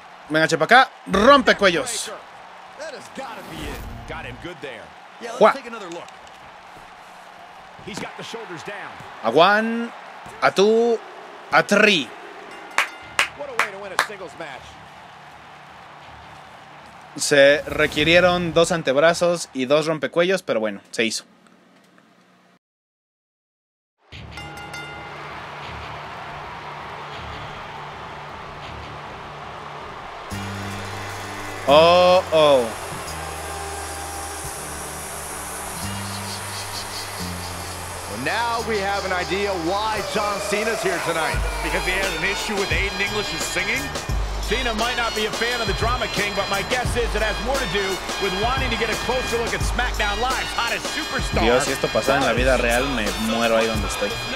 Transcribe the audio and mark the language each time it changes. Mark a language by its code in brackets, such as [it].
[es] Venga, chepa acá. Rompe cuellos. [en] That has gotta be it. Got him good there. Yeah, let's take another look. He's got the shoulders down. A one, a two, a three. What a way to win a singles match. [es] Se requirieron dos antebrazos y dos rompecuellos, pero bueno, se hizo. Oh, oh. [en] Now we have an idea why John Cena's here tonight. Because he has an issue with Aiden English's singing? Cena might not be a fan of the Drama King, but my guess is it has more to do with wanting to get a closer look at SmackDown Live's hottest superstar. [es] Dios, si esto pasara en la vida real, me muero ahí donde estoy.